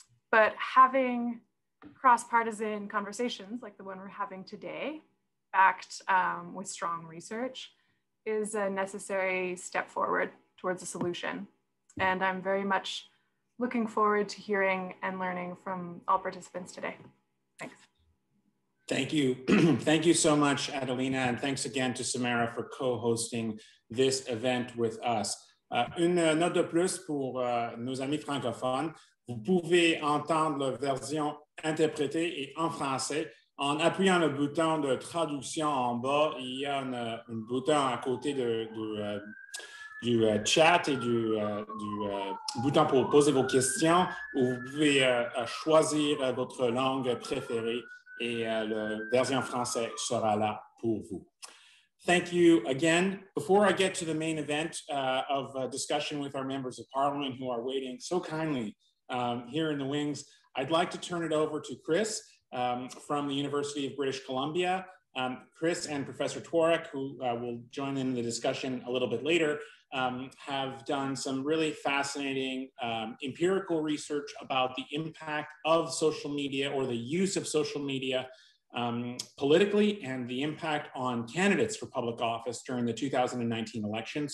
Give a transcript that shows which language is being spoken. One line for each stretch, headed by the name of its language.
English: But having cross-partisan conversations like the one we're having today, backed with strong research, is a necessary step forward towards a solution. And I'm very much looking forward to hearing and learning from all participants today. Thanks. Thank you. Thank you so much, Adelina. And thanks again to Samara for co-hosting this event with us.
French: Une note de plus pour nos amis francophones. Vous pouvez entendre la version interprétée et en français en appuyant le bouton de traduction en bas. Il y a un bouton à côté du chat et du bouton pour poser vos questions où vous pouvez choisir votre langue préférée. Et la version française sera là pour vous.
English: Thank you again. Before I get to the main event of discussion with our members of Parliament who are waiting so kindly here in the wings, I'd like to turn it over to Chris from the University of British Columbia. Chris and Professor Tworek, who will join in the discussion a little bit later, have done some really fascinating empirical research about the impact of social media or the use of social media politically and the impact on candidates for public office during the 2019 election.